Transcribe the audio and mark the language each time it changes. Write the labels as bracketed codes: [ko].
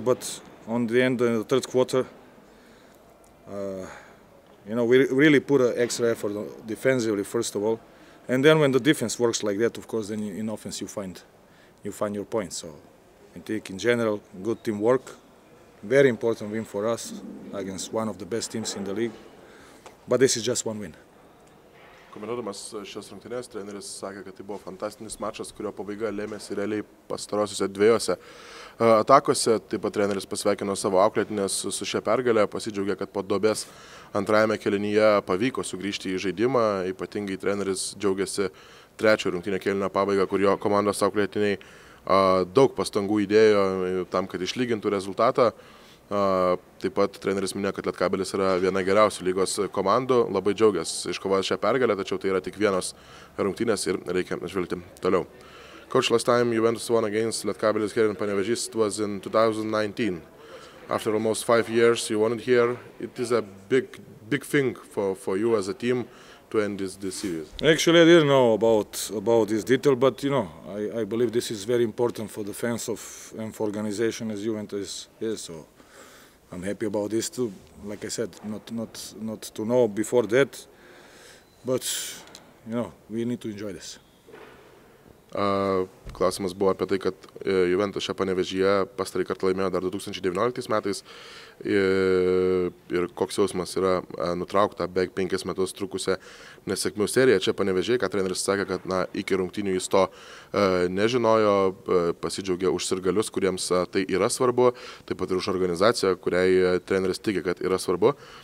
[en] But on the end, in the third quarter, you know, we really put an extra effort defensively, first of all. And then when the defense works like that, of course, then in offense you find your points. So I think in general, good team work, very important win for us against one of the best teams in the league. But this is just one win. [lt] Komentuodamas šios rungtynės, treneris sakė, kad tai buvo fantastinis mačas, kurio pabaiga lėmėsi realiai pastarosiuose dviejose atakose. Taip pat treneris pasveikino savo auklėtinės su šia pergale, pasidžiaugė, kad po dobės antrajame kelinyje pavyko sugrįžti į žaidimą. Ypatingai treneris džiaugiasi trečio rungtynio kelinio pabaiga, kur jo komandos auklėtiniai daug pastangų įdėjo tam, kad išlygintų rezultatą. Taip pat treneris minėjo, kad Lietkabelis yra viena geriausių lygos komandų, labai džiaugęs iškovojęs šią pergalę, tačiau tai yra tik vienos rungtynės ir reikia žvelgti toliau. [en] Coach, last time Juventus won against Lietkabelis here in Panevėžys was in 2019. After almost 5 years you won it here. It is a big thing for you as a team to end this series. Actually, I didn't know about this detail, but you know, I believe this is very important for the fans of and for organization as Juventus is, so I'm happy about this too. Like I said, not to know before that, but you know, we need to enjoy this. [lt] Klausimas buvo apie tai, kad Juventus šią Panevėžyje pastarį kartą laimėjo dar 2019 metais ir koks jausmas yra nutraukta beveik 5 metus trukusią nesėkmių seriją čia Panevėžyje, kad treneris sakė, kad na, iki rungtynių jis to nežinojo, pasidžiaugė už sirgalius, kuriems tai yra svarbu, taip pat ir už organizaciją, kuriai treneris tiki, kad yra svarbu.